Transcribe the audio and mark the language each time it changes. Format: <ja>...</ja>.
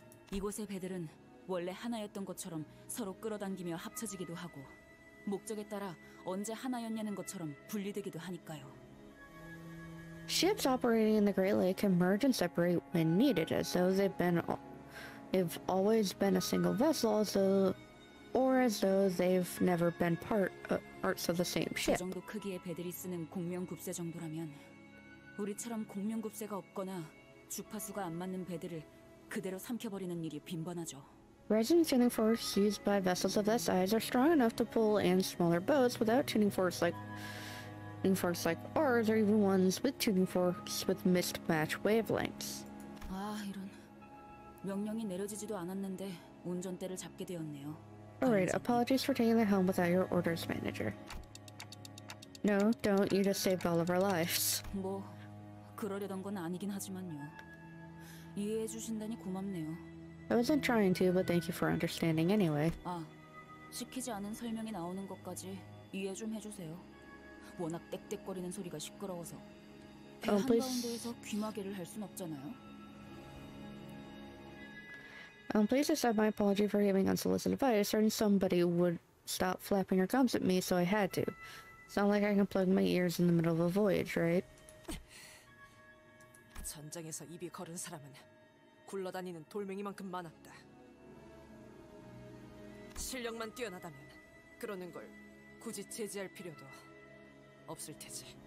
<ko>이곳의 배들은 원래 하나였던 것처럼 서로 끌어당기며 합쳐지기도 하고 목적에 따라 언제 하나였냐는 것처럼 분리되기도 하니까요.</ko> <en>Ships operating in the Great Lake can merge and separate when needed, as though they've always been a single vessel, as though they've never been parts of the same ship.</en> <ko>그 정도 크기의 배들이 쓰는 공명굽쇠 정도라면 우리처럼 공명굽쇠가 없거나 주파수가 안 맞는 배들을 그대로 삼켜버리는 일이 빈번하죠.</ko> <en>Resonant tuning forks used by vessels of that size are strong enough to pull in smaller boats without tuning forks like ours, or even ones with tuning forks with mismatched wavelengths.</en> <ko>아, 이런 명령이 내려지지도 않았는데 운전대를 잡게 되었네요.</ko> <en>Alright, apologies for taking the helm without your orders, manager. No, don't. You just saved all of our lives.</en> <ko>뭐 그러려던 건 아니긴 하지만요. 이해해 주신다니 고맙네요.</ko> <en>I wasn't trying to, but thank you for understanding anyway.</en> <ko>아, 시키지 않은 설명이 나오는 것까지 이해 좀 해주세요. 워낙 떡떡거리는 소리가 시끄러워서 배 한가운데에서 귀마개를 할 순 없잖아요.</ko> <en>Please accept my apology for giving unsolicited advice. Certain somebody would stop flapping her gums at me, so I had to. It's not like I can plug my ears in the middle of a voyage, right?</en> <ko>전장에서 입이 걸은 사람은 굴러다니는 돌멩이만큼 많았다. 실력만 뛰어나다면 그러는 걸 굳이 제지할 필요도 없을 테지.</ko>